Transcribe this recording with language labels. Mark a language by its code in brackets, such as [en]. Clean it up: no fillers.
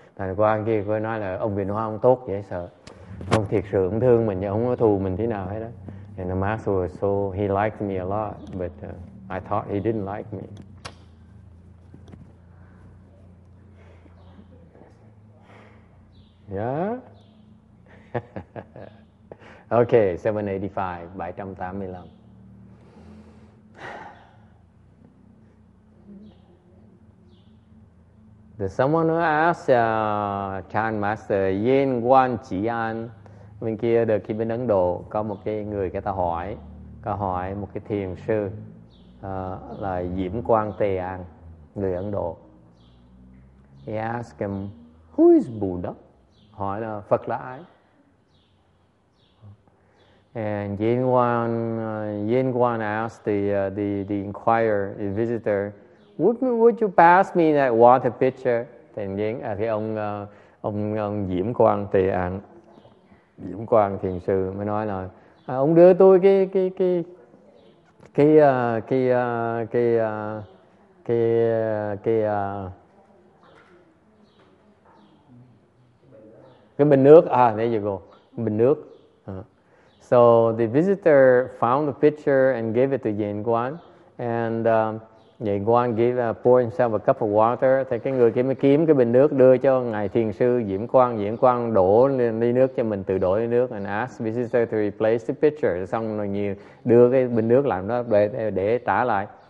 [vi] Thầy qua anh kia có nói là ông Vĩnh Hoa ông tốt, dễ sợ. Ông thiệt sự, ông thương mình, ông có thù mình thế nào hết đó. [en] And the master was so, he liked me a lot, but I thought he didn't like me. Yeah? Okay, 785, 785. There's someone who asked Chan Master, Yen Guan Chi An. [vi] Bên kia được khi bên Ấn Độ có một cái người người ta hỏi, có hỏi một cái thiền sư là Diễm Quang Tề An, người Ấn Độ. [en] He asked him, who is Buddha? [vi] Hỏi là Phật là ai? [en] And Yen Quang asked the inquirer, the visitor, would you pass me that water pitcher? [vi] Thì ông Diễm Quang Tề An, Diễm Quang thiền sư mới nói là ông đưa tôi cái bình nước [en] there you go, [vi] bình nước. [en] So the visitor found the pitcher and gave it to Yen Quang, and Yen Quang poured himself a cup of water. [vi] Thì cái người kia mới kiếm cái bình nước đưa cho ngài thiền sư Diễm Quang. Diễm Quang đổ ly nước cho mình, tự đổ ly nước, [en] and asked visitor to replace the pitcher. [vi] Xong rồi nhiều đưa cái bình nước làm đó để trả lại.